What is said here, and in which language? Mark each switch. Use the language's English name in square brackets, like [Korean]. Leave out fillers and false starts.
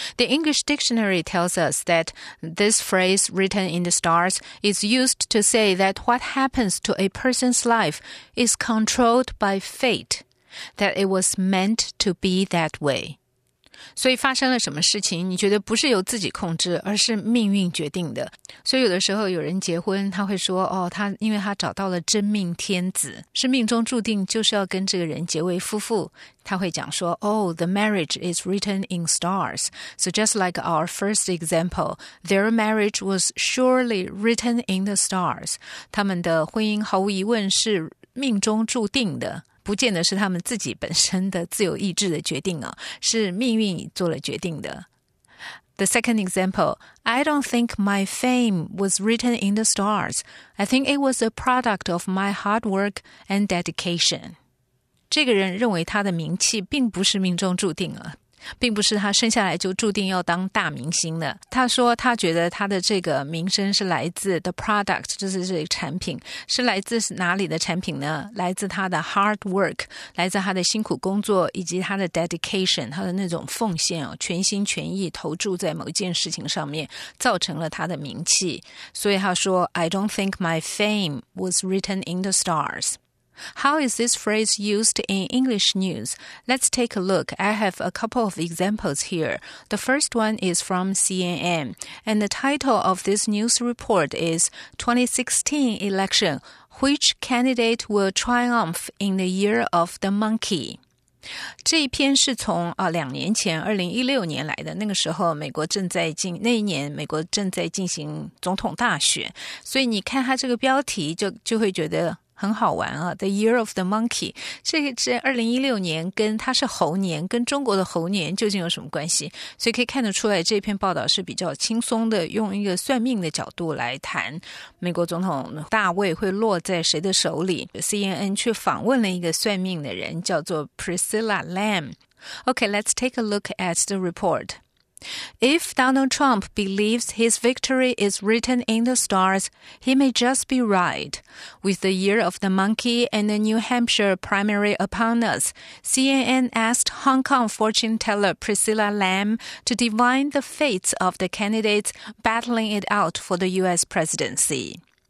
[English] The English dictionary tells us that this phrase, written in the stars, is used to say that what happens to a person's life is controlled by fate, that it was meant to be that way. [Chinese] 所以发生了什么事情，你觉得不是由自己控制，而是命运决定的。所以有的时候有人结婚，他会说，哦，他因为他找到了真命天子，是命中注定就是要跟这个人结为夫妇。他会讲说 [English] Oh, the marriage is written in stars. So just like our first example, their marriage was surely written in the stars. [Chinese] 他们的婚姻毫无疑问是命中注定的，不见得是他们自己本身的自由意志的决定啊，是命运做了决定的。 [English] The second example, I don't think my fame was written in the stars. I think it was a product of my hard work and dedication. [Chinese] 这个人认为他的名气并不是命中注定了，并不是他生下来就注定要当大明星的。他说他觉得他的这个名声是来自 the product, 就是这个产品，是来自哪里的产品呢？来自他的 hard work, 来自他的辛苦工作，以及他的 dedication, 他的那种奉献，全心全意投注在某件事情上面，造成了他的名气。所以他说 [English] I don't think my fame was written in the stars. How is this phrase used in English news? Let's take a look. I have a couple of examples here. The first one is from CNN, and the title of this news report is 2016 Election, Which Candidate Will Triumph in the Year of the Monkey? [Chinese] 这一篇是从两年前2016年来的，那个时候美国正在进行总统大选，所以你看它这个标题就会觉得很好玩啊。 The Year of the Monkey, 这2016年跟它是猴年，跟中国的猴年究竟有什么关系？所以可以看得出来这篇报道是比较轻松的，用一个算命的角度来谈美国总统大位会落在谁的手里。 CNN 去访问了一个算命的人，叫做 Priscilla Lam。 [English] OK, let's take a look at the report. If Donald Trump believes his victory is written in the stars, he may just be right. With the Year of the Monkey and the New Hampshire primary upon us, CNN asked Hong Kong fortune teller Priscilla Lam to divine the fates of the candidates battling it out for the U.S. presidency.